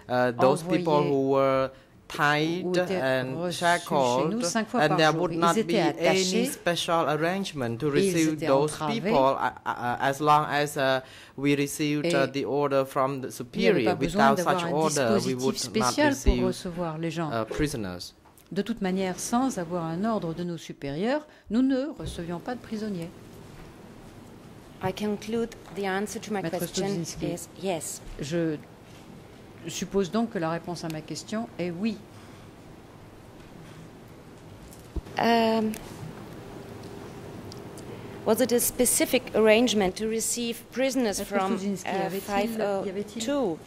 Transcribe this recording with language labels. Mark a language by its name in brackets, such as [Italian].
[English] Those people who were tied and shackled, and there would not be any special arrangement to receive those people as long as we received the order from the superior. Without such order, we would not receive prisoners. [French] De toute manière, sans avoir un ordre de nos supérieurs, nous ne recevions pas de prisonniers. [English] I conclude the answer to my question is yes. [French] Je suppose donc que la réponse à ma question est oui. [English] Was it a specific arrangement to receive prisoners from 502